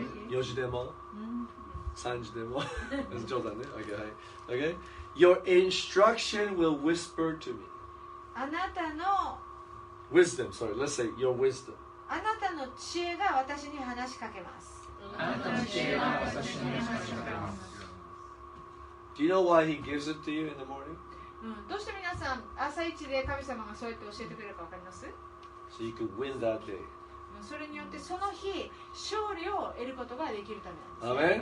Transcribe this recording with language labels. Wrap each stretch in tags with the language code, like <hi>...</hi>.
<ja>4時でも3時でも冗談ね okay, okay.</ja> <en>Your instruction will whisper to me</en> <ja>あなたの</ja> <en>Wisdom, sorry, let's say your wisdom</en> <ja>あなたの知恵が私に話しかけますあなたの知恵が私に話しかけます</ja> <en>Do you know why he gives it to you in the morning?、</en> <ja>うん、どうして皆さん朝一で神様がそうやって教えてくれるか分かります</ja> <en>So you could win that day</en> <ja>それによってその日勝利を得ることができるためなんです、</ja>